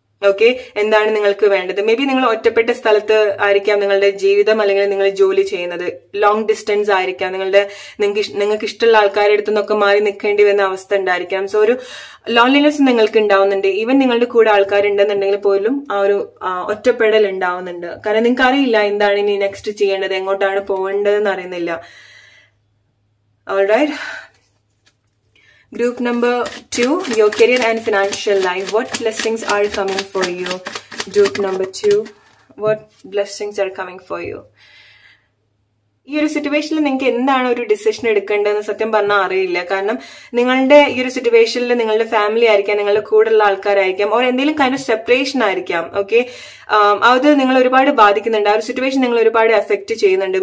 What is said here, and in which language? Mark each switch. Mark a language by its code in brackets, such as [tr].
[ml] Okay, എന്താണ് നിങ്ങൾക്ക് വേണ്ടത്? മേ ബി നിങ്ങൾ ഒറ്റപ്പെട്ട സ്ഥലത്ത് ആയിരിക്കാം നിങ്ങളുടെ ജീവിതം, അല്ലെങ്കിൽ നിങ്ങൾ ജോലി ചെയ്യുന്നത് ലോങ് ഡിസ്റ്റൻസ് ആയിരിക്കാം, നിങ്ങൾക്ക് ഇഷ്ടമുള്ള ആൾക്കാരുടെ അടുത്തുനിന്നൊക്കെ മാറി നിൽക്കേണ്ടി വരുന്ന അവസ്ഥ ഉണ്ടായിരിക്കാം. സോ ഒരു ലോൺലിനെസ് നിങ്ങൾക്ക് ഉണ്ടാവുന്നുണ്ട്. ഈവൻ നിങ്ങളുടെ കൂടെ ആൾക്കാരുണ്ടെന്നുണ്ടെങ്കിൽ പോലും ആ ഒരു ഒറ്റപ്പെടൽ ഉണ്ടാവുന്നുണ്ട്. കാരണം നിങ്ങൾക്ക് അറിയില്ല എന്താണ് ഇനി നെക്സ്റ്റ് ചെയ്യേണ്ടത്, എങ്ങോട്ടാണ് പോകേണ്ടതെന്ന് അറിയുന്നില്ല. [en] Alright, Group number 2, your career and financial life. What blessings are coming for you? Group number 2, what blessings are coming for you? [ml] ഈ ഒരു സിറ്റുവേഷനിൽ നിങ്ങൾക്ക് എന്താണ് ഒരു ഡിസിഷൻ എടുക്കേണ്ടതെന്ന് സത്യം പറഞ്ഞാൽ അറിയില്ല. കാരണം നിങ്ങളുടെ ഈ ഒരു സിറ്റുവേഷനിൽ നിങ്ങളുടെ ഫാമിലി ആയിരിക്കാം, നിങ്ങളുടെ കൂടെയുള്ള ആൾക്കാരായിരിക്കാം, ഓർ എന്തെങ്കിലും കൈൻഡ് ഓഫ് സെപ്പറേഷൻ ആയിരിക്കാം. ഓക്കെ, അത് നിങ്ങളെ ഒരുപാട് ബാധിക്കുന്നുണ്ട്. ആ ഒരു സിറ്റുവേഷൻ നിങ്ങൾ ഒരുപാട് എഫക്ട് ചെയ്യുന്നുണ്ട്.